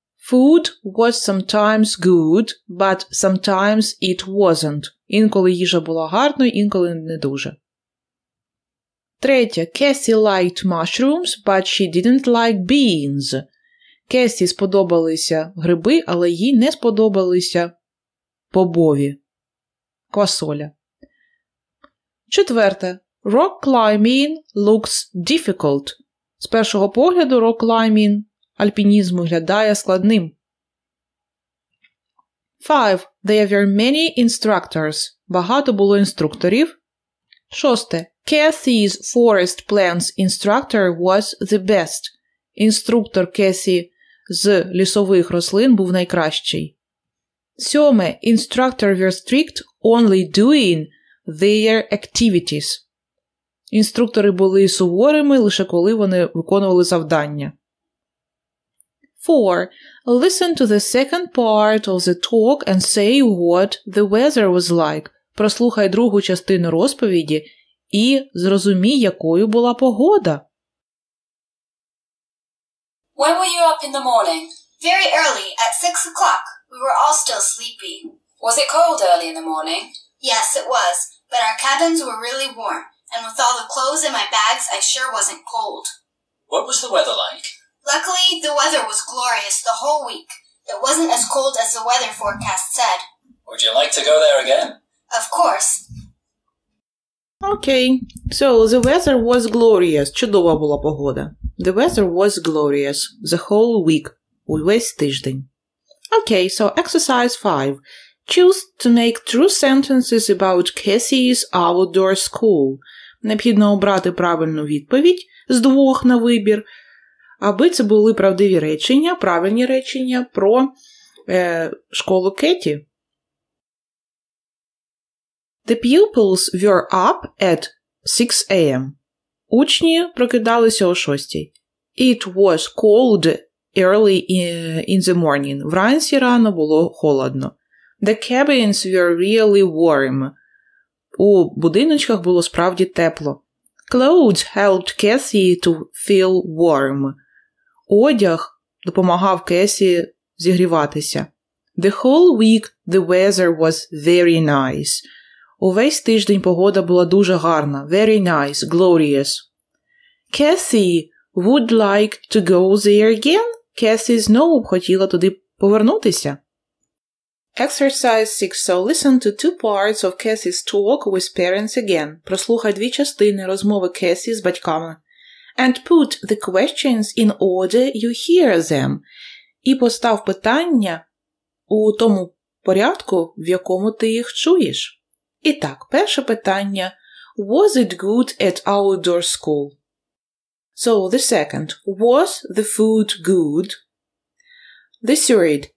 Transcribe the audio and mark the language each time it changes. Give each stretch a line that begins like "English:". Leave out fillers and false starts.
English: Food was sometimes good, but sometimes it wasn't.
Ukrainian: Інколи їжа була гарною, інколи не дуже. Третє.
English: Кесі liked mushrooms, but she didn't like beans.
Ukrainian: Кесі сподобалися гриби, але їй не сподобалися бобові. Квасоля. Четверте.
English: Rock climbing looks difficult.
Ukrainian: З першого погляду rock climbing, альпінізм, виглядає складним.
English: 5. There were many instructors.
Ukrainian: Багато було інструкторів.
English: 6. Kathy's forest plants instructor was the best.
Ukrainian: Інструктор Кесі з лісових рослин був найкращий.
English: 7. Instructors were strict only doing their activities.
Ukrainian: Інструктори були суворими, лише коли вони виконували завдання.
English: 4. Listen to the second part of the talk and say what the weather was like.
Ukrainian: Прослухай другу частину розповіді і зрозумій, якою була погода.
English: When were you up in the morning? Very early, at 6 o'clock. We were all still sleepy. Was it cold early in the morning? Yes, it was, but our cabins were really warm. And with all the clothes in my bags, I sure wasn't cold. What was the weather like? Luckily, the weather was glorious the whole week. It wasn't as cold as the weather forecast said. Would you like to go there again? Of course. Okay, so the weather was glorious.
Ukrainian: Чудова була погода.
English: The weather was glorious the whole week.
Ukrainian: Увесь тиждень.
English: Okay, so exercise 5. Choose to make true sentences about Cassie's outdoor school.
Ukrainian: Необхідно обрати правильну відповідь з двох на вибір, аби це були правдиві речення, правильні речення про школу Кеті.
English: The pupils were up at 6 a.m.
Ukrainian: Учні прокидалися о 6.
English: It was cold early in the morning.
Ukrainian: Вранці рано було холодно.
English: The cabins were really warm.
Ukrainian: У будиночках було справді тепло.
English: Clothes helped Cathy to feel warm.
Ukrainian: Одяг допомагав Кесі зігріватися.
English: The whole week the weather was very nice.
Ukrainian: Увесь тиждень погода була дуже гарна.
English: Very nice, glorious. Cathy would like to go there again?
Ukrainian: Кесі знову б хотіла туди повернутися.
English: Exercise 6. So listen to two parts of Cathy's talk with parents again.
Ukrainian: Прослухай дві частини розмови Кесі з батьками.
English: And put the questions in order you hear them.
Ukrainian: І постав питання у тому порядку, в якому ти їх чуєш. І так, перше питання.
English: Was it good at outdoor school? So, the second. Was the food good? The third.